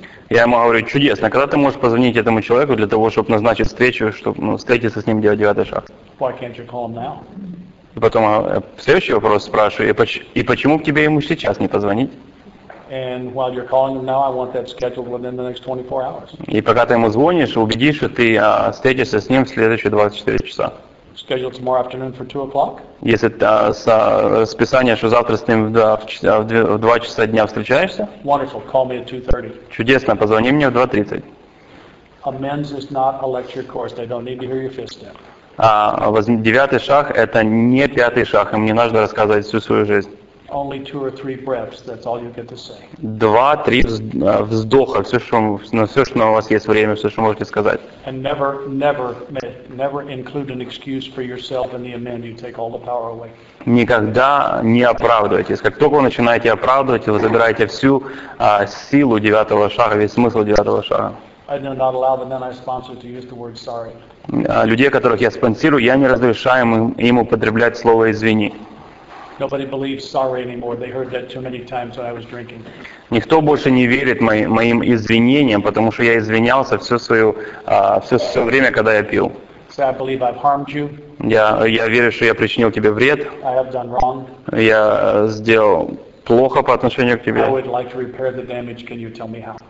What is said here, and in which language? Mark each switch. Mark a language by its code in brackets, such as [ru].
[ru] Я ему говорю, чудесно, когда ты можешь позвонить этому человеку для того, чтобы назначить встречу, чтобы встретиться с ним, делать девятый шаг? [en] Why can't you call him now? [ru] И потом следующий вопрос спрашиваю, и почему к тебе ему сейчас не позвонить? [en] And while you're calling him now, I want that scheduled within the next 24 hours. [ru] И пока ты ему звонишь, убедись, что ты встретишься с ним в следующие 24 часа. [en] Scheduled tomorrow afternoon for 2 o'clock? [ru] Если расписание, что завтра с ним в 2 часа дня встречаешься? [en] Wonderful. Call me at 2:30. [ru] Чудесно. Позвони мне в 2:30. [en] Amends is not a lecture course. They don't need to hear your fifth step. [ru] Девятый шаг – это не пятый шаг. Им не нужно рассказывать всю свою жизнь. [en] Only two or three breaths, that's all you get to say. [ru] 2-3 вздоха, все, что у вас есть время, все, что можете сказать. [en] And never include an excuse for yourself in the amend, you take all the power away. [ru] Никогда не оправдывайтесь. Как только вы начинаете оправдывать, вы забираете всю силу девятого шага, весь смысл девятого шага. [en] I do not allow the men I sponsor to use the word sorry. [ru] Людей, которых я спонсирую, я не разрешаю им употреблять слово извини. [en] Nobody believes sorry anymore. They heard that too many times when I was drinking. [ru] Никто больше не верит моим извинениям, потому что я извинялся все время, когда я пил. [en] So I believe I've harmed you. [ru] Я верю, что я причинил тебе вред. [en] I have done wrong. [ru] Я сделал плохо по отношению к тебе. [en] I would like to repair the damage. Can you tell me how?